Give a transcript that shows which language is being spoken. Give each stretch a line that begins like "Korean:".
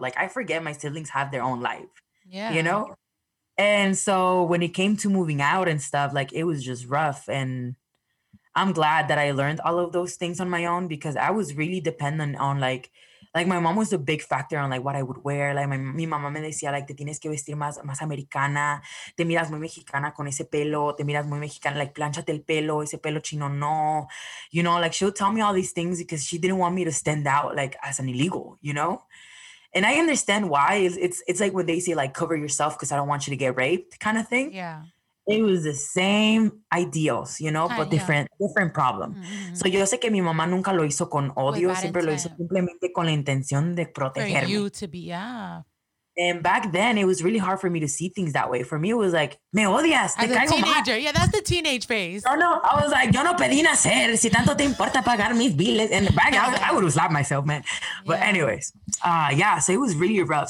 English: Like, I forget my siblings have their own life. Yeah. You know? And so when it came to moving out and stuff, like, it was just rough. And I'm glad that I learned all of those things on my own, because I was really dependent on, like my mom was a big factor on, like, what I would wear.
Spanish: Like, mi mamá me decía, like, te tienes que vestir más americana. Te miras muy mexicana con ese pelo. Te miras muy mexicana. Like, planchate el pelo. Ese pelo chino, no.
English: You know, like, she would tell me all these things because she didn't want me to stand out, like, as an illegal, you know? And I understand why. It's like when they say, like, cover yourself because I don't want you to get raped kind of thing. Yeah. It was the same ideals, you know, but different problem. Mm-hmm.
Spanish: So yo sé que mi mamá nunca lo hizo con odio. Siempre lo hizo simplemente con la intención de protegerme.
English: For you to be, And back then, it was really hard for me to see things that way. For me, it was like,
Spanish: me odias.
English: As a teenager. Yeah, that's the teenage phase. No, I was like,
Spanish: yo no pedí nacer. Si tanto te importa pagar mis biles.
English: And back then, I would have slapped myself, man. But anyways, so it was really rough.